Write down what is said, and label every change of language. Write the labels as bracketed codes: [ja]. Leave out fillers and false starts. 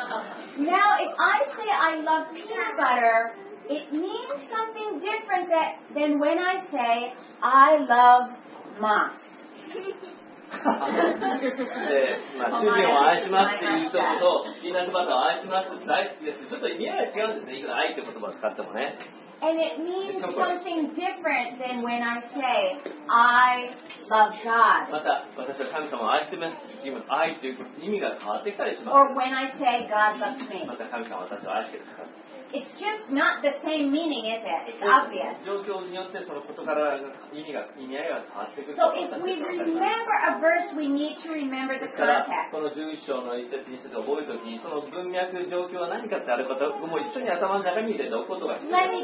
[en] Now, if I say I love peanut butter, it means something different than when I say I love mom. [ja] でまあ、主人を愛しますって言うとこと、ピーナッツバターを愛しますって大好きですって、ちょっと意味合いが違うんですね、愛って言葉を使ってもね。 [en] And it means something different than when I say, I love God. [ja] また、私は神様を愛してます。愛という意味が変わってきたりします。 [en] Or when I say, God loves me. [ja] また、神様は私を愛してます。 [en] It's just not the same meaning, is it? It's obvious. [ja] 状況によってそのことから意味合いが変わってくる。 [en] So if we remember a verse, we need to remember the context. [ja] この11章の1節2節を覚えるときに、その文脈状況は何かってあることも一緒に頭の中に入れておくことが必要です。